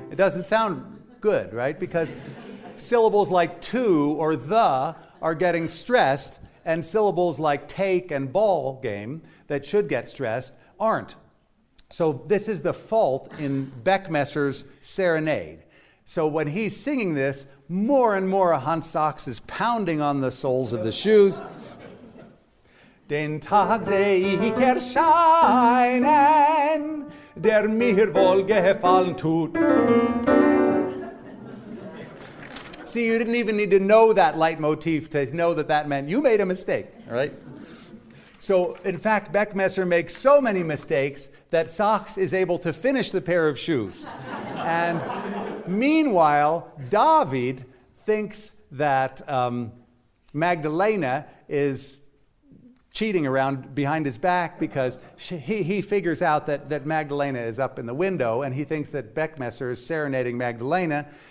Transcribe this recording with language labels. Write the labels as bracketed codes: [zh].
[en] It doesn't sound good, right? Because syllables like to or the are getting stressed, and syllables like take and ball game that should get stressed aren't. So this is the fault in Beckmesser's serenade. So when he's singing this, more and more Hans Sachs is pounding on the soles of the shoes. [de] Den Tag seh ich erscheinen, der mir wohl gefallen tut. [en] See, you didn't even need to know that leitmotif to know that that meant you made a mistake, right? So, in fact, Beckmesser makes so many mistakes that Sachs is able to finish the pair of shoes. And meanwhile, David thinks that Magdalena is cheating around behind his back, because he figures out that Magdalena is up in the window, and he thinks that Beckmesser is serenading Magdalena.